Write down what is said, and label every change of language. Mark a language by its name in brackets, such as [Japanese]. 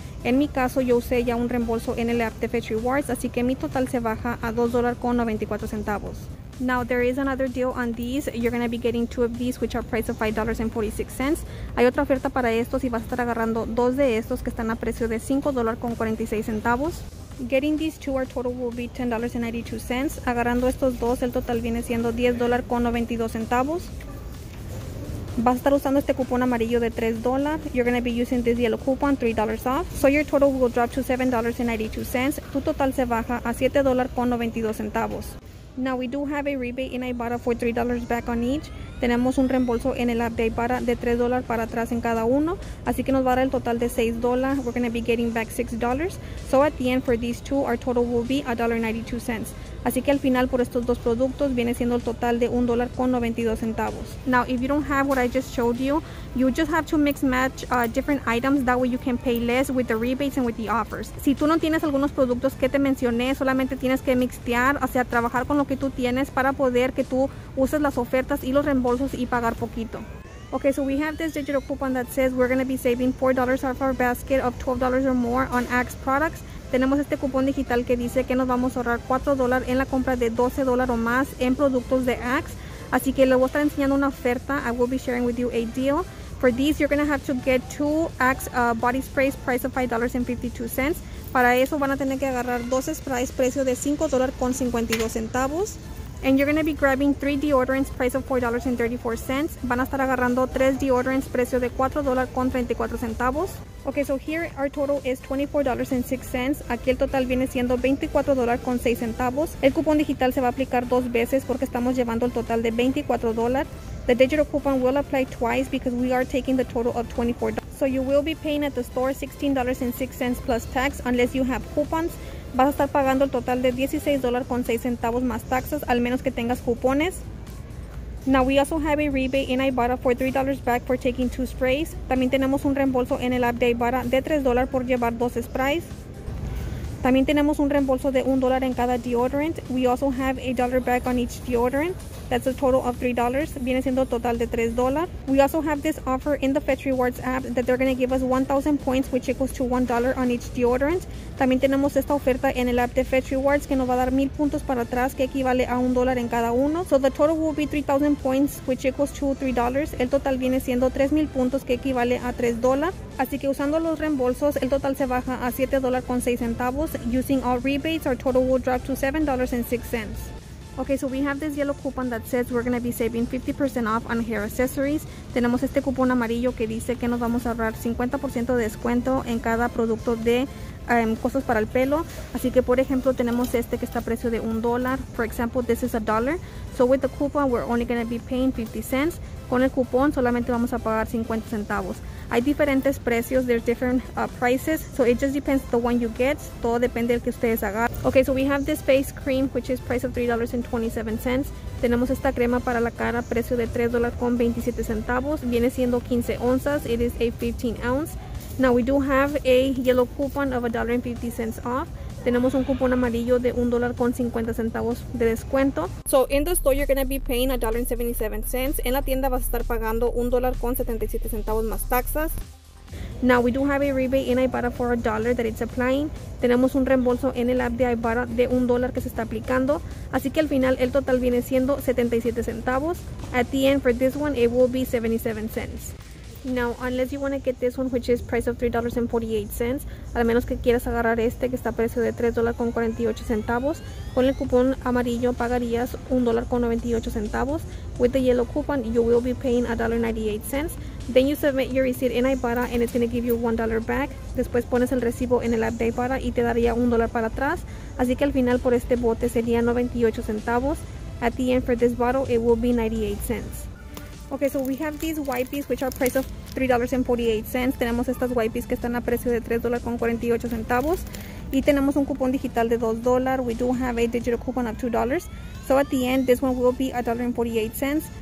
[Spanish] En mi caso, yo usé ya un reembolso en el app de Fetch Rewards, así que mi total se baja a $2.94. [English] Now, there is another deal on these. You're going to be getting two of these, which are priced at $5.46. [Spanish] Hay otra oferta para estos y vas a estar agarrando dos de estos que están a precio de $5.46. [English] Getting these two, our total will be $10.92. [Spanish] Agarrando estos dos, el total viene siendo $10.92. Vas a estar usando este cupón amarillo de $3. [English] You're going to be using this yellow coupon, $3 off. So your total will drop to $7.92. [Spanish] Tu total se baja a $7.92. [English] Now we do have a rebate in Ibarra for $3 back on each. [Spanish] Tenemos un reembolso en el app de Ibarra de $3 para atrás en cada uno. Así que nos va a dar el total de $6. [English] We're going to be getting back $6. So at the end for these two, our total will be $1.92. [Spanish] Así que al final por estos dos productos viene siendo el total de $1.92. [English] Now if you don't have what I just showed you, you just have to mix match different items. That way you can pay less with the rebates and with the offers. [Spanish] Si tú no tienes algunos productos que te mencioné, solamente tienes que mixtear, o sea, trabajar con lo que tú tienes para poder que tú uses las ofertas y los reembolsos y pagar poquito. [English] Okay, so we have this digital coupon that says we're going to be saving $4 off our basket of $12 or more on Axe products. [Spanish] Tenemos este cupón digital que dice que nos vamos a ahorrar $4 en la compra de $12 o más en productos de Axe. Así que les voy a estar enseñando una oferta. [English] I will be sharing with you a deal. For these, you're going to have to get two Axe body sprays, price of $5.52. [Spanish] Para eso van a tener que agarrar dos sprays, precio de $5.52. [English] And you're going to be grabbing three deodorants, price of $4.34. [Spanish] Van a estar agarrando tres deodorants, precio de $4.34. [English] Okay, so here our total is $24.06. [Spanish] Aquí el total viene siendo $24.06. El cupón digital se va a aplicar dos veces porque estamos llevando el total de $24. [English] The digital coupon will apply twice because we are taking the total of $24. So you will be paying at the store $16.06 plus tax unless you have coupons. [Spanish] Vas a estar pagando el total de $16.06 más taxes, al menos que tengas cupones. [English] Now we also have a rebate in Ibarra for $3 back for taking two sprays. [Spanish] También tenemos un reembolso en el app de Ibarra de $3 por llevar dos sprays. También tenemos un reembolso de $1 en cada deodorant. [English] We also have a dollar back on each deodorant. That's a total of $3. [Spanish] Viene siendo total de $3. [English] We also have this offer in the Fetch Rewards app that they're going to give us 1,000 points, which equals to $1 on each deodorant. [Spanish] También tenemos esta oferta en el app de Fetch Rewards que nos va a dar 1,000 puntos para atrás, que equivale a $1 en cada uno. [English] So the total will be 3,000 points, which equals to $3. [Spanish] El total viene siendo 3,000 puntos, que equivale a $3. Así que usando los reembolsos, el total se baja a $7.06. [English] Using all rebates, our total will drop to $7.06. Okay, so we have this yellow coupon that says we're going to be saving 50% off on hair accessories. [Spanish] Tenemos este cupón amarillo que dice que nos vamos a ahorrar 50% de descuento en cada producto de cosas para el pelo. Así que, por ejemplo, tenemos este que está a precio de $1. [English] For example, this is $1. So with the coupon, we're only going to be paying 50 cents. [Spanish] Con el cupón solamente vamos a pagar 50 centavos. Hay diferentes precios, [English] there's different prices, so it just depends the one you get. [Spanish] Todo depende del que ustedes agarren. [English] Okay, so we have this face cream, which is price of $3.27. [Spanish] Tenemos esta crema para la cara, precio de $3.27. Viene siendo 15 onzas, [English] it is a 15 ounce. Now we do have a yellow coupon of $1.50 off. [Spanish] Tenemos un cupón amarillo de $1.50 de descuento. [English] So in the store you're going to be paying $1.77. [Spanish] En la tienda vas a estar pagando $1.77 más taxas. [English] Now we do have a rebate in Ibarra for $1 that it's applying. [Spanish] Tenemos un reembolso en el app de Ibarra de $1 que se está aplicando. Así que al final el total viene siendo 77 centavos. [English] At the end for this one it will be 77 cents. Now, unless you want to get this one, which is price of $3.48, [Spanish] al menos que quieras agarrar este que está a precio de $3.48, con el cupón amarillo pagarías $1.98. [English] With the yellow coupon, you will be paying $1.98. Then you submit your receipt in Ibarra and it's going to give you $1 back. [Spanish] Después pones el recibo en el app de Ibarra y te daría $1 para atrás. Así que al final por este bote sería 98 centavos. [English] At the end for this bottle, it will be 98 cents. Okay, so we have these wipes which are price of $3.48. [Spanish] Tenemos estas wipes que están a precio de $3.48. Y tenemos un cupón digital de $2. [English] We do have a digital coupon of $2. So at the end, this one will be $1.48.